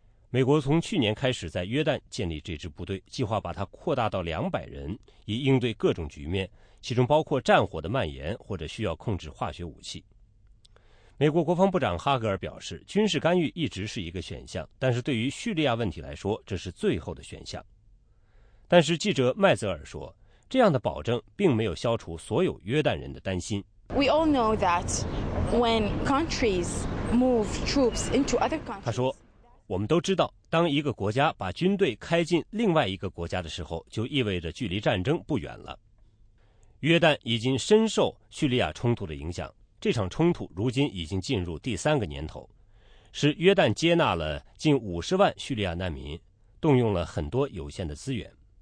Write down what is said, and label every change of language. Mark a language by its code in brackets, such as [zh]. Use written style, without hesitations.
[zh] 美国从去年开始在约旦建立这支部队，计划把它扩大到200人，以应对各种局面，其中包括战火的蔓延或者需要控制化学武器。美国国防部长哈格尔表示，军事干预一直是一个选项，但是对于叙利亚问题来说，这是最后的选项。但是记者麦泽尔说，这样的保证并没有消除所有约旦人的担心。 [en] We all know that when countries move troops into other countries. [zh] 他说，我们都知道，当一个国家把军队开进另外一个国家的时候，就意味着距离战争不远了。约旦已经深受叙利亚冲突的影响。这场冲突如今已经进入第3个年头，是约旦接纳了近50万叙利亚难民，动用了很多有限的资源。